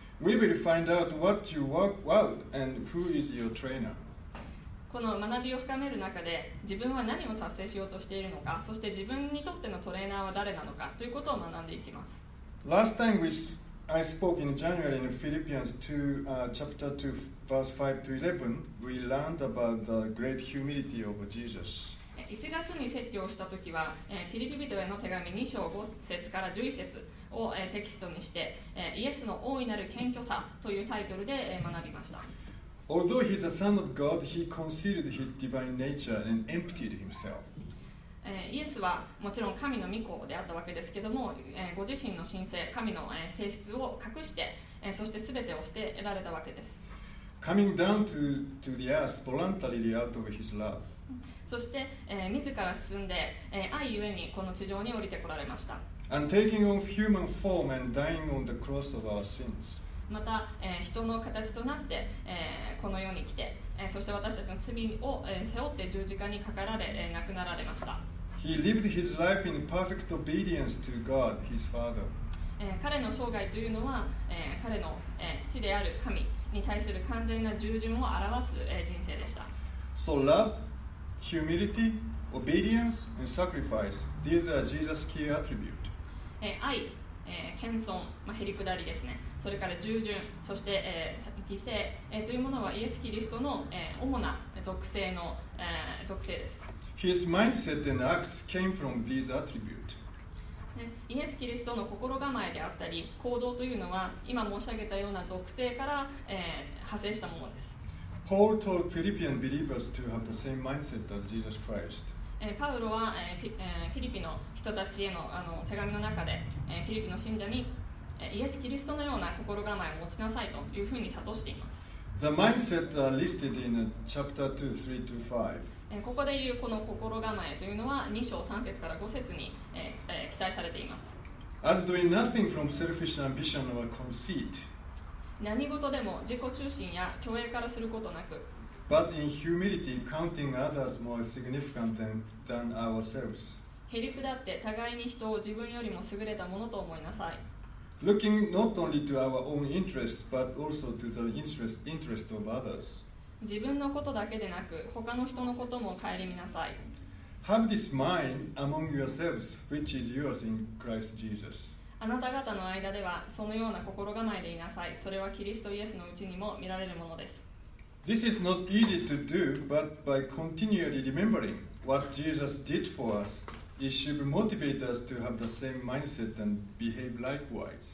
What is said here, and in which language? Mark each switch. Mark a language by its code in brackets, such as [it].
[en] We will find out what you work out and who is your trainer。 [ja] この学びを深める中で自分は何を達成しようとしているのか、そして自分にとってのトレーナーは誰なのかということを学んでいきます。 [en] Last time weI spoke in January in Philippians 2, chapter 2, verse 5 to 11. We learned about the great humility of Jesus. [ja] 1月に説教したときは、フィリピ人への手紙2章5節から11節を、テキストにして、イエスの大いなる謙虚さというタイトルで、学びました。 [en] Although he's a son of God, he conceded his divine nature and emptied himself. [ja] イエスはもちろん神の御子であったわけですけども、ご自身の神性、神の性質を隠して、そして全てを捨てられたわけです。 [en] Coming down to the earth voluntarily out of his love. [ja] そして、自ら進んで、愛ゆえにこの地上に降りてこられました。 [en] And taking on human form and dying on the cross of our sins. [ja] また、人の形となって、この世に来て、そして私たちの罪を背負って十字架にかかられ亡くなられました。 [en] He lived his life in perfect obedience to God, his father. [ja] 彼の生涯というのは彼の父である神に対する完全な従順を表す人生でした。 [en] So love, humility, obedience and sacrifice, these are Jesus' key attributes. [ja] 愛、謙遜、まあ、へりくだりですね、それから従順、そして、犠牲、というものはイエス・キリストの、主な属性の、属性です。 [en] His mindset and acts came from these attributes. [ja] イエス・キリストの心構えであったり行動というのは今申し上げたような属性から、派生したものです。 [en] Paul told Philippian believers to have the same mindset as Jesus Christ. [ja] パウロは、フィリピの人たちへ の, あの手紙の中で、フィリピの信者にイエス・キリストのような心構えを持ちなさいというふうに諭しています。 [en] The mindset listed in chapter 2, 3 to 5、 [ja] ここで言うこの心構えというのは2章3節から5節に、記載されています。 [en] As doing nothing from selfish ambition or conceit、 [ja] 何事でも自己中心や虚栄からすることなく、 [en] But in humility, counting others more significant than ourselves. [ja] へりくだって互いに人を自分よりも優れたものと思いなさい。 [en] Looking not only to our own interests, but also to the interest of others. [ja] 自分のことだけでなく他の人のことも顧みなさい。 [en] Have this mind among yourselves, which is yours in Christ Jesus. [ja] あなた方の間ではそのような心構えでいなさい。それはキリストイエスのうちにも見られるものです。 [en] This is not easy to do, but by continually remembering what Jesus did for us, it should motivate us to have the same mindset and behave likewise.